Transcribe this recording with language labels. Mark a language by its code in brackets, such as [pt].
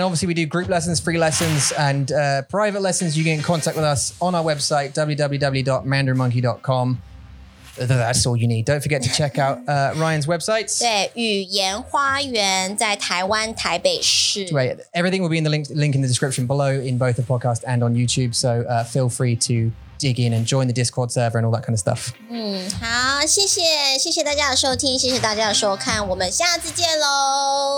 [en] Obviously, we do group lessons, free lessons, and private lessons. You can get in contact with us on our website, www.mandarinmonkey.com. That's all you need. Don't forget to check out Ryan's websites. [zh] 对，语言花园在台湾台北市。 [en] Right. Everything will be in the link in the description below in both the podcast and on YouTube. So feel free to dig in and join the Discord server and all that kind of stuff. [zh] 好，谢谢大家的收听，谢谢大家的收看，我们下次见喽。